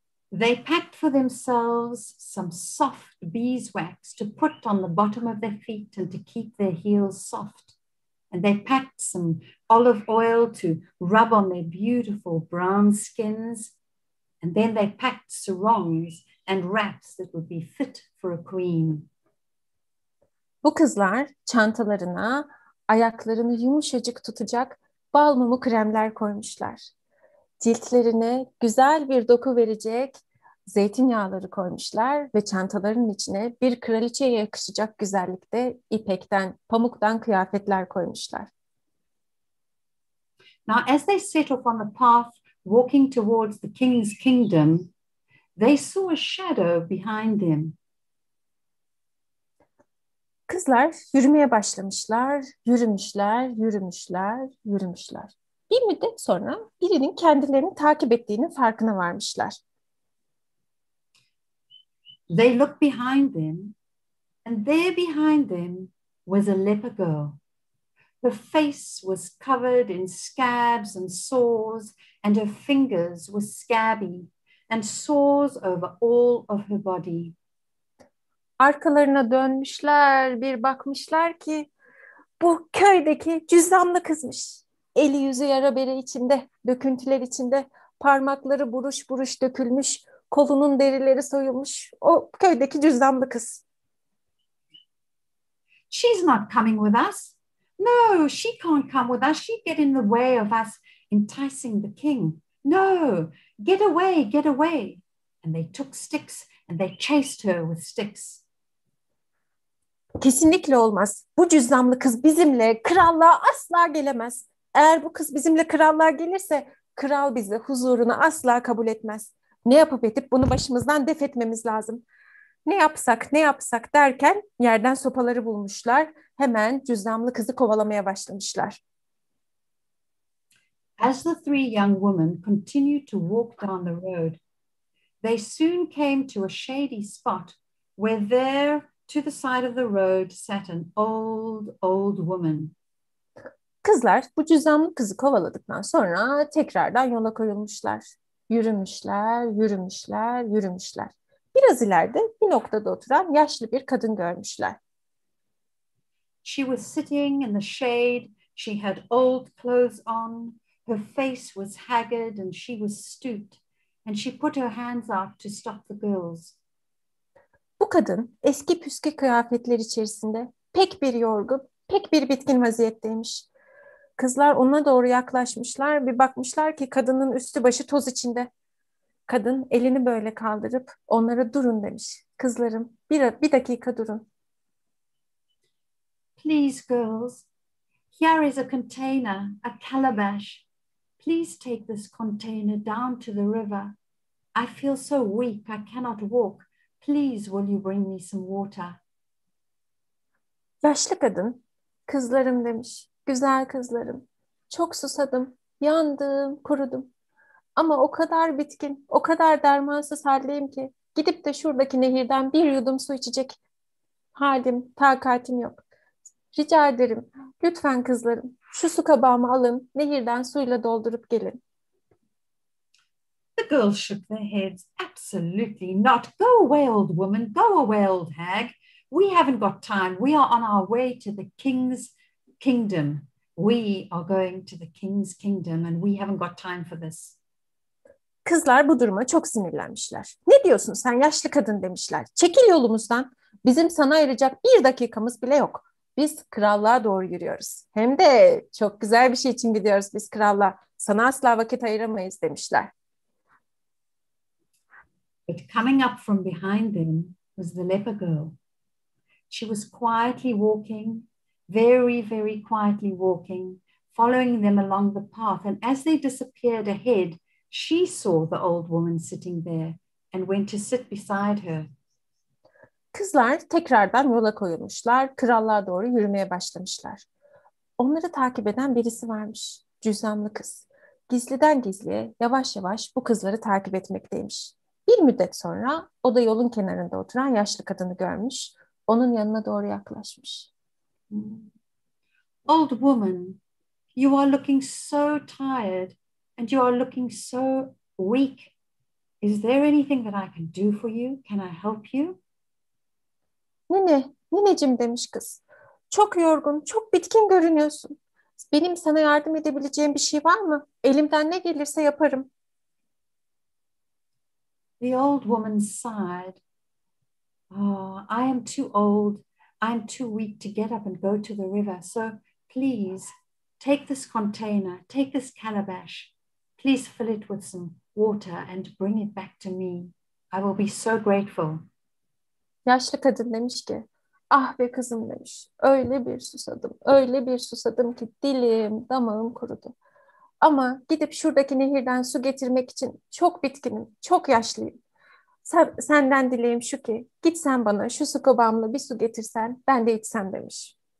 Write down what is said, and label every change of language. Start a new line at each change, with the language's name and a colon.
English: They packed for themselves some soft beeswax to put on the bottom of their feet and to keep their heels soft. And they packed some olive oil to rub on their beautiful brown skins. And then they packed sarongs and wraps that would be fit for a queen.
Turkish: Bu kızlar çantalarına ayaklarını yumuşacık tutacak bal mumu kremler koymuşlar. Ciltlerine güzel bir doku verecek zeytinyağları koymuşlar ve çantalarının içine bir kraliçeye yakışacak güzellikte ipekten, pamuktan kıyafetler koymuşlar.
English: Now as they set off on the path walking towards the king's kingdom, they saw a shadow behind them.
Turkish: Kızlar yürümeye başlamışlar, yürümüşler, yürümüşler, yürümüşler. Bir müddet sonra birinin kendilerini takip ettiğinin farkına varmışlar.
English: They looked behind them and there behind them was a leper girl. Her face was covered in scabs and sores and her fingers were scabby and sores over all of her body.
Turkish: Arkalarına dönmüşler, bir bakmışlar ki bu köydeki cüzdanlı kızmış. Eli yüzü yara bere içinde, döküntüler içinde, parmakları buruş buruş dökülmüş, kolunun derileri soyulmuş. O köydeki cüzdanlı kız.
English: She's not coming with us. No, she can't come with us. She'd get in the way of us enticing the king. No, get away, get away. And they took sticks and they chased her with sticks.
Turkish: Kesinlikle olmaz. Bu cüzdanlı kız bizimle krallığa asla gelemez. Eğer bu kız bizimle krallığa gelirse kral bizi huzuruna asla kabul etmez. Ne yapıp edip bunu başımızdan def etmemiz lazım. Ne yapsak ne yapsak derken yerden sopaları bulmuşlar. Hemen cüzdanlı kızı kovalamaya başlamışlar.
English: As the three young women continued to walk down the road, they soon came to a shady spot where there to the side of the road sat an old, old woman.
Turkish: kızlar bu cüzdanlı kızı kovaladıktan sonra tekrardan yola koyulmuşlar. Yürümüşler, yürümüşler, yürümüşler. Biraz ileride bir noktada oturan yaşlı bir kadın görmüşler.
English: She was sitting in the shade. She had old clothes on. Her face was haggard and she was stooped. And she put her hands out to stop the girls.
Turkish: Bu kadın eski püskü kıyafetler içerisinde pek bir yorgun, pek bir bitkin vaziyetteymiş. Kızlar ona doğru yaklaşmışlar, bir bakmışlar ki kadının üstü başı toz içinde. Kadın elini böyle kaldırıp onlara durun demiş. Kızlarım bir dakika durun.
English: Please girls, here is a container, a calabash. Please take this container down to the river. I feel so weak, I cannot walk. Please will you bring me some water?
Turkish: Yaşlı kadın, kızlarım demiş, güzel kızlarım. Çok susadım, yandım, kurudum. Ama o kadar bitkin, o kadar dermansız haldeyim ki gidip de şuradaki nehirden bir yudum su içecek halim, takatim yok. Rica ederim, lütfen kızlarım, şu su kabağımı alın, nehirden suyla doldurup gelin.
English: The girls shook their heads. Absolutely not. Go away, old woman. Go away, old hag. We haven't got time. We are on our way to the king's kingdom. We are going to the king's kingdom and we haven't got time for this.
Turkish: Kızlar bu duruma çok sinirlenmişler. Ne diyorsun sen yaşlı kadın demişler. Çekil yolumuzdan. Bizim sana ayıracak bir dakikamız bile yok. Biz krallığa doğru yürüyoruz. Hem de çok güzel bir şey için gidiyoruz biz krallığa. Sana asla vakit ayıramayız demişler.
English: But coming up from behind them was the leper girl. She was quietly walking, very, very quietly walking, following them along the path. And as they disappeared ahead, she saw the old woman sitting there and went to sit beside her.
Turkish: Kızlar tekrardan yola koyulmuşlar, krallığa doğru yürümeye başlamışlar. Onları takip eden birisi varmış, cüzdanlı kız. Gizliden gizliye yavaş yavaş bu kızları takip etmekteymiş. Bir müddet sonra o da yolun kenarında oturan yaşlı kadını görmüş, onun yanına doğru yaklaşmış.
English: Old woman, you are looking so tired and you are looking so weak. Is there anything that I can do for you? Can I help you?
Turkish: Nene, nineciğim demiş kız. Çok yorgun, çok bitkin görünüyorsun. Benim sana yardım edebileceğim bir şey var mı? Elimden ne gelirse yaparım.
English: The old woman sighed. Oh, I am too old. I am too weak to get up and go to the river. So please take this container, take this calabash. Please fill it with some water and bring it back to me. I will be so grateful.
Turkish: Yaşlı kadın demiş ki, ah be kızım demiş, öyle bir susadım, öyle bir susadım ki dilim, damağım kurudu. Ama gidip şuradaki nehirden su getirmek için çok bitkinim, çok yaşlıyım. Senden dileğim şu ki, gitsen bana şu su kabağımla bir su getirsen, ben de içsem demiş.